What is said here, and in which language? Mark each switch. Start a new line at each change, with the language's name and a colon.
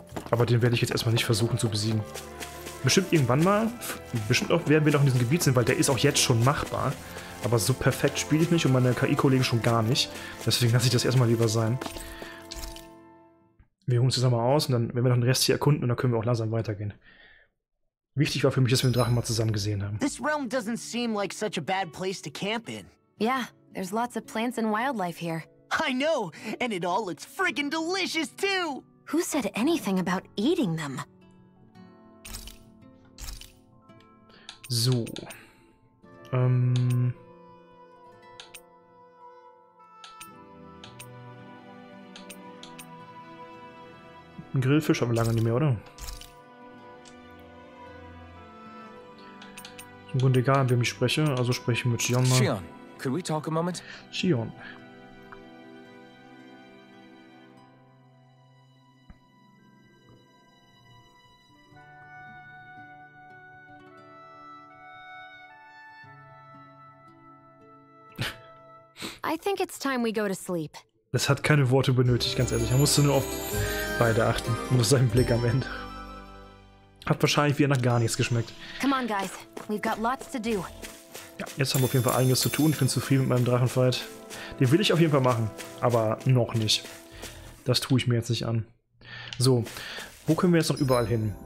German: Aber den werde ich jetzt erstmal nicht versuchen zu besiegen. Bestimmt irgendwann mal, bestimmt auch, werden wir noch in diesem Gebiet sind, weil der ist auch jetzt schon machbar. Aber so perfekt spiele ich nicht und meine KI-Kollegen schon gar nicht. Deswegen lasse ich das erstmal lieber sein. Wir holen uns das nochmal aus und dann werden wir noch den Rest hier erkunden und dann können wir auch langsam weitergehen. Wichtig war für mich, dass wir den Drachen mal zusammen gesehen haben.
English: This realm doesn't seem like such a bad place to camp in. Yeah, there's lots of plants and wildlife here. I know, and it all looks freaking delicious too. Who said anything about eating them? So.
German: Ein Grillfisch haben wir lange nicht mehr, oder? Ist im Grunde egal, wem ich spreche, also spreche ich mit Gion mal.
English: Gion, could we talk a moment? Gion. I think it's time we go to sleep.
German: Es hat keine Worte benötigt, ganz ehrlich. Er musste nur auf beide achten. Nur seinen Blick am Ende. Hat wahrscheinlich wieder nach gar nichts geschmeckt.
English: Come on, guys. We've got lots to do.
German: Ja, jetzt haben wir auf jeden Fall einiges zu tun. Ich bin zufrieden mit meinem Drachenfight. Den will ich auf jeden Fall machen. Aber noch nicht. Das tue ich mir jetzt nicht an. So, wo können wir jetzt noch überall hin?